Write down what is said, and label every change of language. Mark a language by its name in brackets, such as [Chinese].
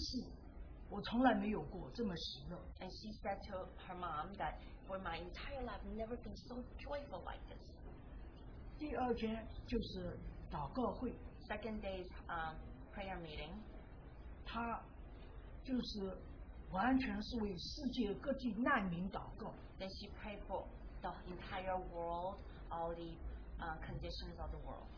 [Chinese] 她说,妈咪,这我是一生一世,我从来没有过这么喜乐。 [English] And she said to her mom that for my entire life, I've never been so joyful like this. [Chinese] 第二天就是祷告会。 [English] Second day's prayer meeting. [Chinese] 她就是完全是为世界各地难民祷告。 [English] Then she prayed for the entire world, all the conditions of the world.